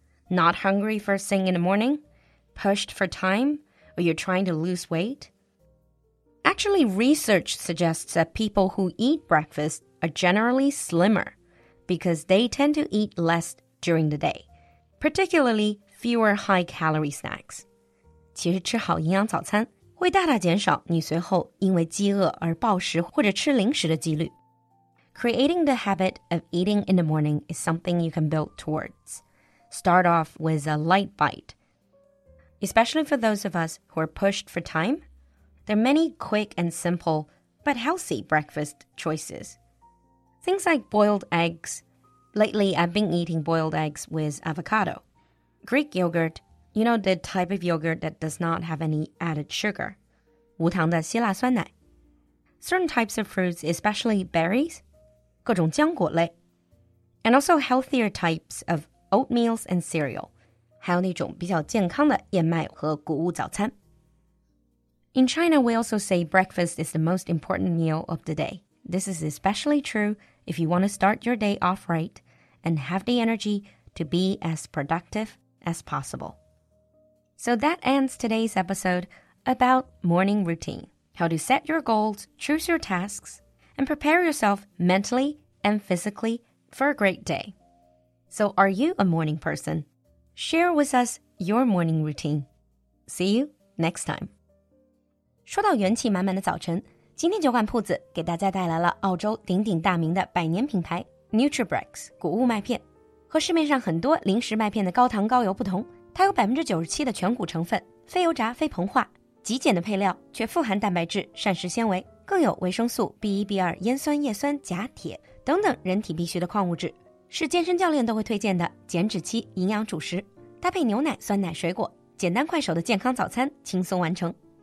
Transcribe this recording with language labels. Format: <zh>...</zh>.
<en>Not hungry first thing in the morning, pushed for time, or you're trying to lose weight. Actually, research suggests that people who eat breakfast are generally slimmer because they tend to eat less during the day, particularly fewer high-calorie snacks.</en> <zh>其实吃好营养早餐会大大减少你随后因为饥饿而暴食或者吃零食的几率。</zh> <en>Creating the habit of eating in the morning is something you can build towards. Start off with a light bite. Especially for those of us who are pushed for time, there are many quick and simple but healthy breakfast choices. Things like boiled eggs. Lately, I've been eating boiled eggs with avocado, Greek yogurt, You know the type of yogurt that does not have any added sugar.</en> <zh>无糖的希腊酸奶。</zh> <en>Certain types of fruits, especially berries.</en> <zh>各种浆果类。</zh> <en>And also healthier types of oatmeals and cereal.</en> <zh>还有那种比较健康的燕麦和谷物早餐。</zh> <en>In China, we also say breakfast is the most important meal of the day. This is especially true if you want to start your day off right and have the energy to be as productive as possible. So that ends today's episode about morning routine, how to set your goals, choose your tasks, and prepare yourself mentally and physically for a great day. So are you a morning person? Share with us your morning routine. See you next time.</en> <zh>说到元气满满的早晨，今天酒馆铺子给大家带来了澳洲鼎鼎大名的百年品牌 Nutribrex 谷物麦片。和市面上很多零食麦片的高糖高油不同，它有 97% 的全谷成分，非油炸非膨化，极简的配料却富含蛋白质、膳食纤维，更有维生素 B1 B2 烟酸叶酸钾铁等等人体必需的矿物质，是健身教练都会推荐的减脂期营养主食，搭配牛奶酸奶水果，简单快手的健康早餐轻松完成。</zh>